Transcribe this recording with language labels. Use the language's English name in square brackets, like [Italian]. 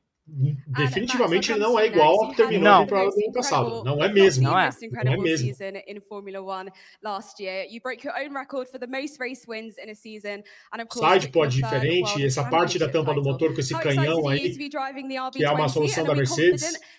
[Portuguese] definitivamente não é igual ao que terminou no ano passado. Não é mesmo. Não é. Não é mesmo. [English] Season in Formula One last year, you broke your own record for the most race wins in a season, and of course. [Portuguese] Side pod diferente, essa parte da tampa do motor com esse canhão aí, que é uma solução da Mercedes.